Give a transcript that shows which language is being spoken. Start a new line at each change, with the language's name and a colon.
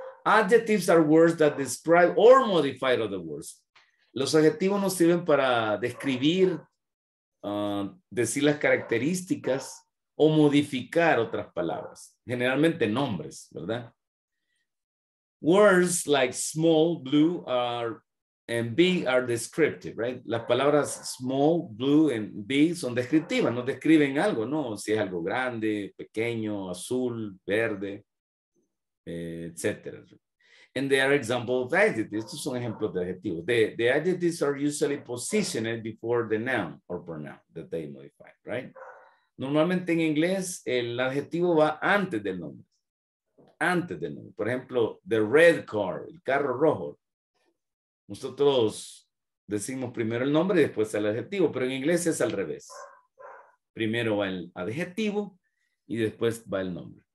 English: Adjectives are words that describe or modify other words.
Spanish: Los adjetivos nos sirven para describir, decir las características o modificar otras palabras, generalmente nombres, ¿verdad?
English: Words like small, blue, and big are descriptive, right?
Spanish: Las palabras small, blue, and big son descriptivas, nos describen algo, ¿no? Si es algo grande, pequeño, azul, verde, etc.
English: And they are examples of adjectives.
Spanish: Estos son ejemplos de adjetivos.
English: The adjectives are usually positioned before the noun or pronoun that they modify, right?
Spanish: Normalmente en inglés, el adjetivo va antes del nombre. Antes del nombre. Por ejemplo,
English: the red car,
Spanish: el carro rojo. Nosotros decimos primero el nombre y después el adjetivo, pero en inglés es al revés. Primero va el adjetivo y después va el nombre.